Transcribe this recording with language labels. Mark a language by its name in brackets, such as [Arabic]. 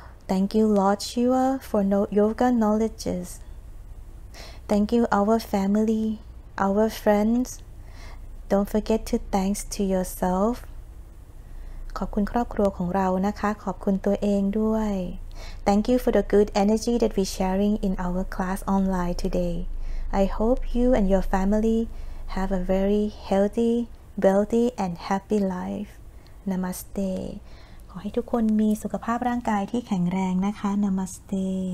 [English] Thank you, Lord Shiva, for yoga knowledges. Thank you, our family, our friends. Don't forget to thanks to yourself. [Thai] ขอบคุณครอบครัวของเรานะคะขอบคุณตัวเองด้วย [English] Thank you for the good energy that we sharing in our class online today. I hope you and your family have a very healthy, wealthy and happy life. Namaste. [Thai] ขอให้ทุกคนมีสุขภาพร่างกายที่แข็งแรงนะคะ Namaste.